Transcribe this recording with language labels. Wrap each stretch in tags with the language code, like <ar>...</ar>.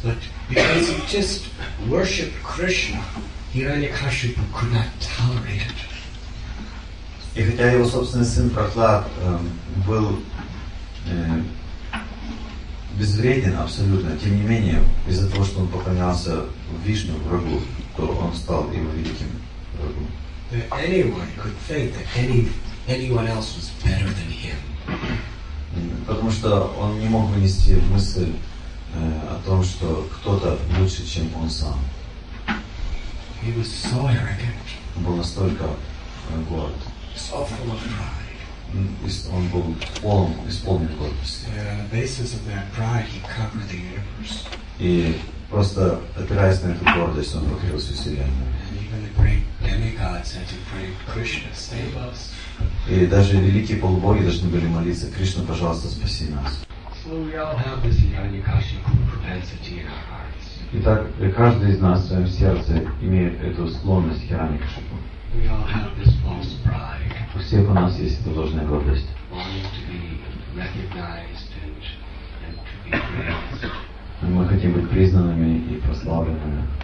<en>But because he just worshipped Krishna, Hiranyakashipu could not tolerate it.</en> <ru>И хотя его собственный сын Прохлад был безвреден абсолютно, тем не менее, из-за того, что он поклонялся Вишну, врагу, то он стал его великим врагом.</ru> <en>That anyone could think that anyone else was better than him.</en> <ru>Потому что он не мог вынести мысль о том, что кто-то лучше, чем он сам.</ru> <en>He was so arrogant.</en> <ru>Он был настолько горд.</ru> <en>So full of pride.</en> <ru>Он был исполнен гордости.</ru> <en>And on the basis of that pride, he covered the universe.</en> <ru>И просто опираясь на эту гордость, он покрыл всю вселенную.</ru> <en>And even the great demigods had to pray, Krishna, save us.</en> <ru>И даже великие полубоги должны были молиться, Кришна, пожалуйста, спаси нас.</ru> <en>So we all have this Hiranyakashipu propensity in our hearts.</en> <ru>Итак, каждый из нас в своем сердце имеет эту склонность к Hiranyakashipu.</ru> <en>We all have this false pride.</en> <ru>У всех у нас есть эта ложная гордость.</ru> <en>Wanting to be recognized and to be praised.</en> <ru>Мы хотим быть признанными и прославленными.</ru>